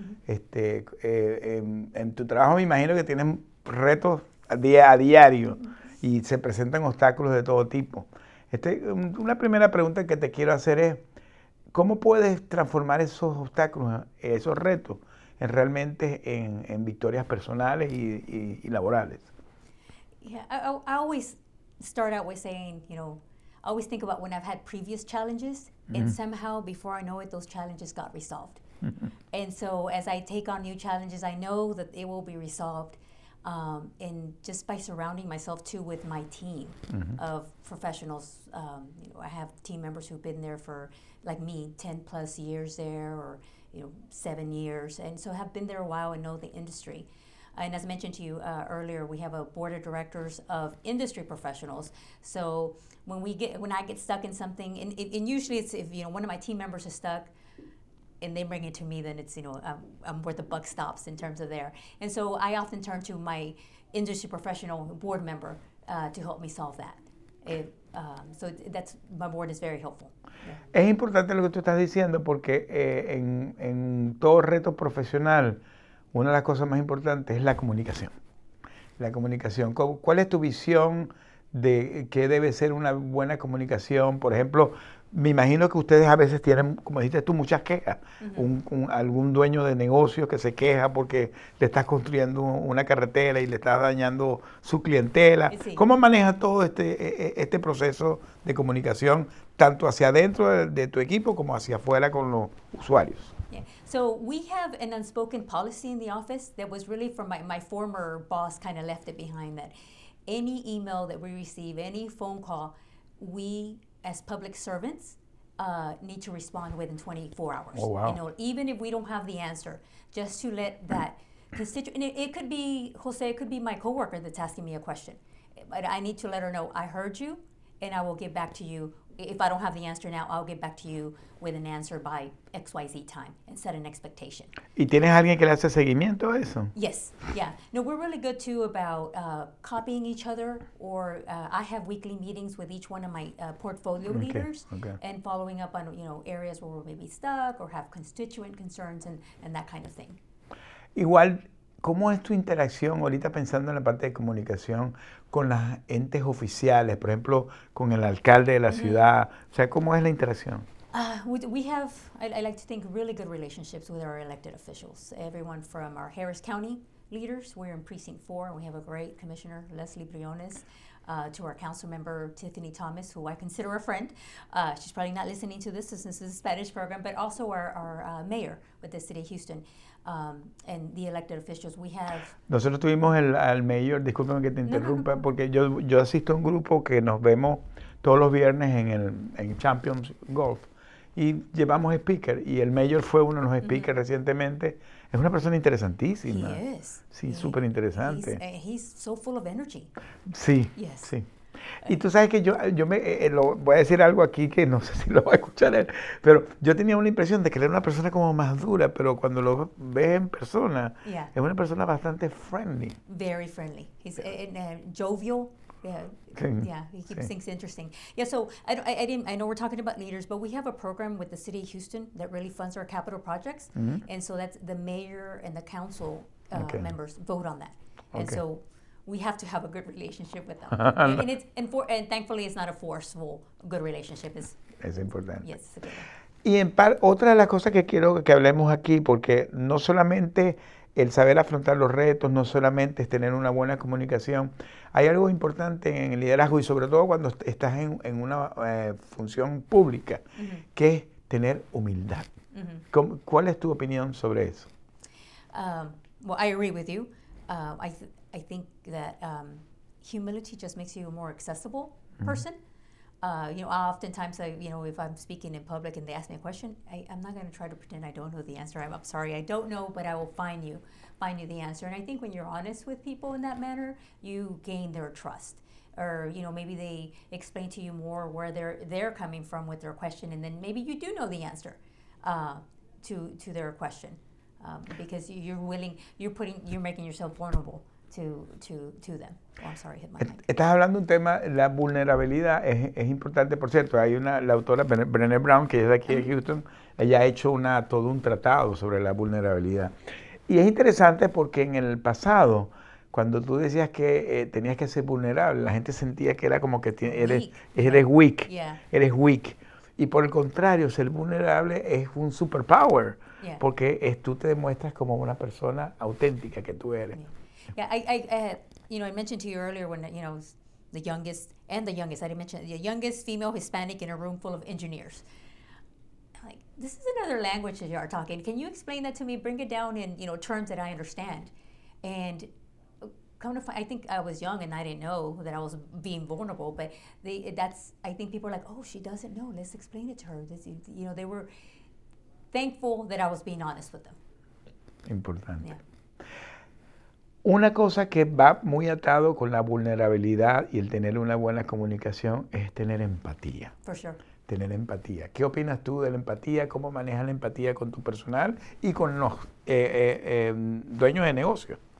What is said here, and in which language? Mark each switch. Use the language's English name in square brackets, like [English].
[Spanish] En tu trabajo me imagino que tienes retos a diario y se presentan obstáculos de todo tipo. Una primera pregunta que te quiero hacer es, ¿cómo puedes transformar esos obstáculos, esos retos, realmente en victorias personales y laborales? [English] Yeah, I always start out with saying, you know, I always think about when I've had previous challenges, and somehow, before I know it, those challenges got resolved. And so as I take on new challenges, I know that it will be resolved. And just by surrounding myself too with my team of professionals, I have team members who've been there for, like me, 10 plus years there, or, you know, 7 years. And so have been there a while and know the industry. And as I mentioned to you earlier, we have a board of directors of industry professionals. So when I get stuck in something, and usually it's if, you know, one of my team members is stuck, and they bring it to me, then it's, you know, I'm where the buck stops in terms of there. And so I often turn to my industry professional board member to help me solve that. So that's my board is very helpful. Yeah. [Spanish] Es importante lo que tú estás diciendo porque en todo reto profesional, una de las cosas más importantes es la comunicación. La comunicación. ¿Cuál es tu visión de qué debe ser una buena comunicación? Por ejemplo, me imagino que ustedes a veces tienen, como dijiste tú, muchas quejas. Algún dueño de negocio que se queja porque le estás construyendo una carretera y le estás dañando su clientela. Sí. ¿Cómo manejas todo este proceso de comunicación, tanto hacia adentro de tu equipo como hacia afuera con los usuarios? [English] Yeah. So we have an unspoken policy in the office that was really from my former boss kind of left it behind, that any email that we receive, any phone call, we as public servants need to respond within 24 hours. Oh, wow. You know, even if we don't have the answer, just to let that constituent, it could be, Jose, it could be my coworker that's asking me a question, but I need to let her know, I heard you and I will get back to you. If I don't have the answer now, I'll get back to you with an answer by XYZ time and set an expectation. [Spanish] ¿Y tienes alguien que le hace seguimiento a eso? [English] Yes, yeah. No, we're really good too about copying each other, or I have weekly meetings with each one of my portfolio leaders and following up on, you know, areas where we're maybe stuck or have constituent concerns and that kind of thing. [Spanish] Igual, ¿cómo es tu interacción ahorita pensando en la parte de comunicación con las entes oficiales, por ejemplo, con el alcalde de la ciudad? O sea, ¿cómo es la interacción? [English] We have, I like to think, really good relationships with our elected officials. Everyone from our Harris County leaders, we're in precinct 4, we have a great commissioner, Leslie Briones, to our council member, Tiffany Thomas, who I consider a friend. She's probably not listening to this since this is a Spanish program, but also our mayor with the city of Houston. And the elected officials we have. [Spanish] Nosotros tuvimos al mayor, discúlpame que te interrumpa, porque yo asisto a un grupo que nos vemos todos los viernes en Champions Golf y llevamos speaker, y el mayor fue uno de los speakers recientemente. Es una persona interesantísima. [English] He is. [Spanish] Sí, súper interesante. [English] He's so full of energy. [Spanish] Sí. [English] Yes. [Spanish] Sí. Y tú sabes que yo voy a decir algo aquí que no sé si lo va a escuchar él, pero yo tenía una impresión de que era una persona como más dura, pero cuando lo ves en persona, es una persona bastante friendly. [English] Very friendly. He's jovial. Yeah, he keeps things interesting. Yeah, so I know we're talking about leaders, but we have a program with the city of Houston that really funds our capital projects, and so that's the mayor and the council members vote on that. Okay. And so we have to have a good relationship with them. And thankfully, it's not a forceful good relationship. [Spanish] Es importante. [English] Yes. [Spanish] Y otra de las cosas que quiero que hablemos aquí, porque no solamente el saber afrontar los retos, no solamente es tener una buena comunicación, hay algo importante en el liderazgo, y sobre todo cuando estás en una función pública, que es tener humildad. ¿Cuál es tu opinión sobre eso? [English] I agree with you. I think that humility just makes you a more accessible person. You know, oftentimes, if I'm speaking in public and they ask me a question, I'm not going to try to pretend I don't know the answer. I'm sorry, I don't know, but I will find you the answer. And I think when you're honest with people in that manner, you gain their trust. or you know, maybe they explain to you more where they're coming from with their question, and then maybe you do know the answer to their question because you're willing, you're making yourself vulnerable to them. Oh, I'm sorry, hit my mic. [Spanish] Estás hablando un tema, la vulnerabilidad es importante. Por cierto, hay una, la autora Brené Brown, que es de aquí de Houston, ella ha hecho todo un tratado sobre la vulnerabilidad. Y es interesante porque en el pasado, cuando tú decías que tenías que ser vulnerable, la gente sentía que era como que eres weak. Y por el contrario, ser vulnerable es un superpower, porque tú te demuestras como una persona auténtica que tú eres. [English] I mentioned to you earlier when, you know, the youngest female Hispanic in a room full of engineers. This is another language that you are talking. Can you explain that to me? Bring it down in, you know, terms that I understand. And come to find, I think I was young and I didn't know that I was being vulnerable. But I think people are like, oh, she doesn't know. Let's explain it to her. This, you know, they were thankful that I was being honest with them. [Spanish] Importante. Yeah. Una cosa que va muy atado con la vulnerabilidad y el tener una buena comunicación es tener empatía. [English] For sure. [Spanish] Tener empatía. ¿Qué opinas tú de la empatía? ¿Cómo manejas la empatía con tu personal y con los dueños de negocio?